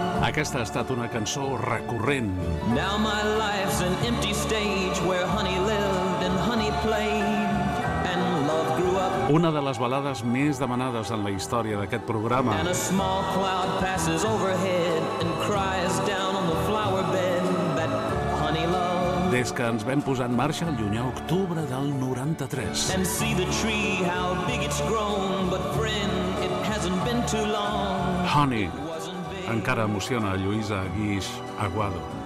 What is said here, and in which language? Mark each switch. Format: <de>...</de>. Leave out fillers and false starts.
<ca>Aquesta ha estat una cançó recurrent.</ca> <en>Now my life's an empty stage where honey lived and honey played and love grew up.</en> <ca>Una de les balades més demanades en la història d'aquest programa.</ca> <en>And a small cloud passes overhead and cries down on the flower bed that honey loved.</en> <ca>Des que ens vam posar en marxa el llunyà octubre del 93.</ca> <en>And see the tree, how big it's grown, but friend, it hasn't been too long. Honey.</en> <ca>Encara emociona Lluïsa Guix Aguado.</ca>